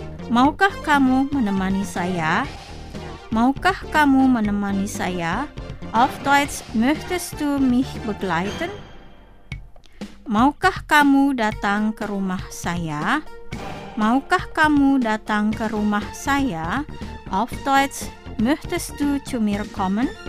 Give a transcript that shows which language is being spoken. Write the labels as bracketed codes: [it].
[id] Maukah kamu menemani saya? Maukah kamu menemani saya? [de] Auf Deutsch möchtest du mich begleiten? [id] Maukah kamu datang ke rumah saya? Maukah kamu datang ke rumah saya? [de] Auf Deutsch, möchtest du zu mir kommen?